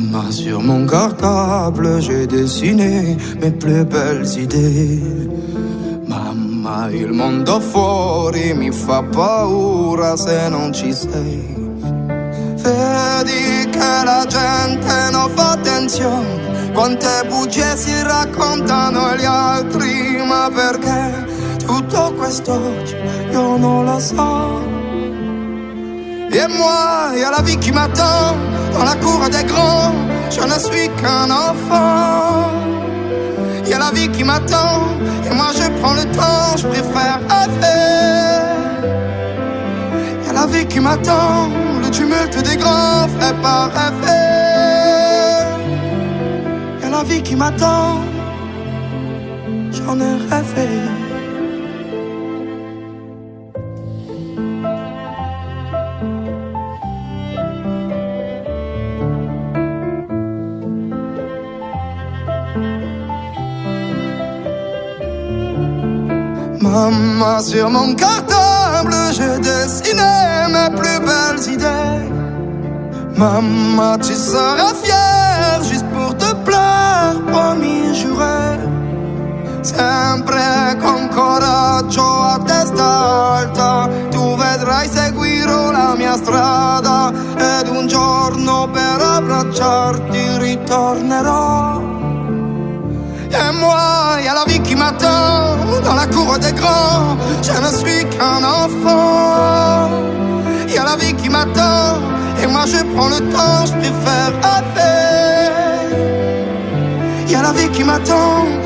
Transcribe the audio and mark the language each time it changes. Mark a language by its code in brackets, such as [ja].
[fr] Sur mon cartable, j'ai dessiné mes plus belles idées. [it] Mamma, il mondo fuori mi fa paura se non ci sei. Vedi che la gente non fa attenzione, quante bugie si raccontano gli altri. Ma perché tutto questo io non lo so. [fr] Et moi, y a la vie qui m'attend dans la cour des grands. Je ne suis qu'un enfant. Y a la vie qui m'attend et moi je prends le temps. Je préfère rêver. Y a la vie qui m'attend. Le tumulte des grands fait pas rêver. Y a la vie qui m'attend. J'en ai rêvé. Mamma, sur mon cartable, je dessinais mes plus belles idées. Mamma, tu seras fière juste pour te plaire, promis juré. [it] Sempre con coraggio a testa alta, tu vedrai seguirò la mia strada. Ed un giorno per abbracciarti ritornerò. [fr] Et moi, y a la vie qui m'attend dans la cour des grands. Je ne suis qu'un enfant. Y a la vie qui m'attend et moi je prends le temps. Je préfère rêver. Y a la vie qui m'attend.